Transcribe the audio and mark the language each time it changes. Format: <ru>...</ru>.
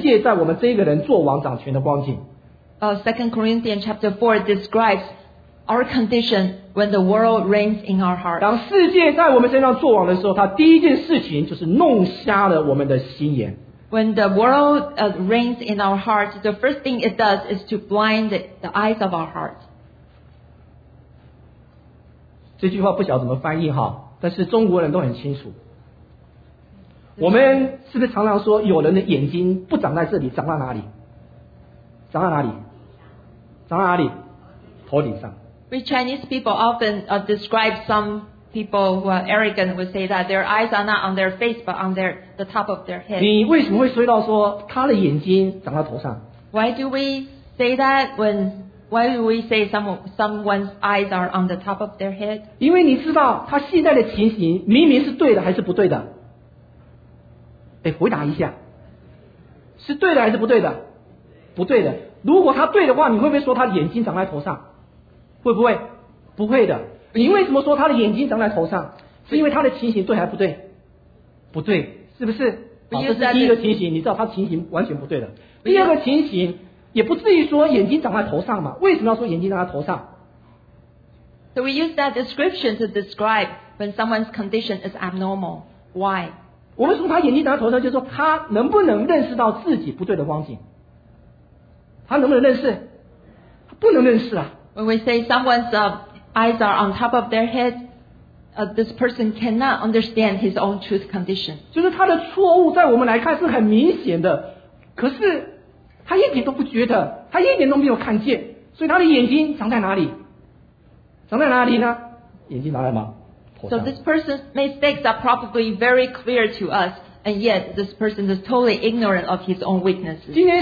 <zh>在哥林多后书第四章说到怎么样世界在我们这个人做王掌权的光景。</zh> <en>2 Corinthians chapter 4 describes our condition when the world reigns in our heart.</en> <zh>当世界在我们身上做王的时候，它第一件事情就是弄瞎了我们的心眼。</zh> <en>When the world reigns in our heart, the first thing it does is to blind the eyes of our heart.</en> <zh>这句话不晓得怎么翻译哈，但是中国人都很清楚。我们是不是常常说，有人的眼睛不长在这里，长在哪里？长在哪里？长在哪里？头顶上。</zh> <en>We Chinese people often describe some people who are arrogant would say that their eyes are not on their face but on the top of their head.</en> <zh>你为什么会说到说他的眼睛长在头上？</zh> <en>Why do we say someone's eyes are on the top of their head?</en> <zh>因为你知道他现在的情形明明是对的还是不对的？诶，回答一下， 是对的还是不对的？不对的。如果他对的话，你会不会说他眼睛长在头上？会不会？不会的。你为什么说他的眼睛长在头上？是因为他的情形对还不对？不对， 是不是？这是第一个情形，你知道他情形完全不对的。第二个情形， 也不至于说眼睛长在头上嘛， 为什么要说眼睛长在头上？</zh> <en>So we use that description to describe when someone's condition is abnormal. Why?</en> <zh>我们说他眼睛长在头上， 就是说他能不能认识到自己不对的光景？他能不能认识？他不能认识啊。</zh> <en>When we say someone's eyes are on top of their head, this person cannot understand his own truth condition.</en> <zh>就是他的错误在我们来看是很明显的， 可是 他一点都不觉得，他一点都没有看见，所以他的眼睛长在哪里？长在哪里呢？眼睛长在吗？头上。</zh> <en>So this person's mistakes are probably very clear to us, and yet this person is totally ignorant of his own weaknesses.</en>